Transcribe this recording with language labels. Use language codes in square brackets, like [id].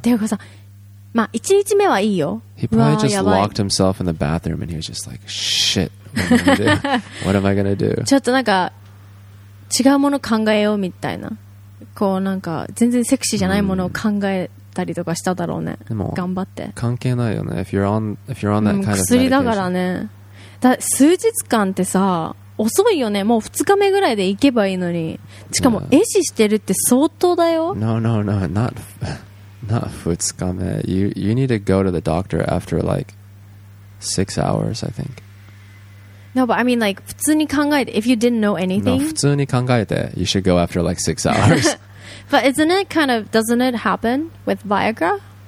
[ja] でもさ、まあ、1日目はいいよ。 [en] He probably just locked himself in the bathroom and he was just like, shit, what am I gonna do? [ja] ちょっとなんか違うもの考えようみたいな、こうなんか全然セクシーじゃないものを考えたりとかしただろうね。でも頑張って関係ないよね。 [en] If you're on that kind of [ja] medication、薬だからね。だ、数日間ってさ遅いよね。もう2日目ぐらいで行けばいいのに。しかも壊死してるって相当だよ。 [en] No, not 2日目. You need to go to the doctor after like 6 hours, I think. No, but I mean like [ja] 普通に考えて [en] if you didn't know anything. No, [ja] 普通に考えて [en] you should go after like 6 hours. But isn't it kind of, doesn't it happen with Viagra?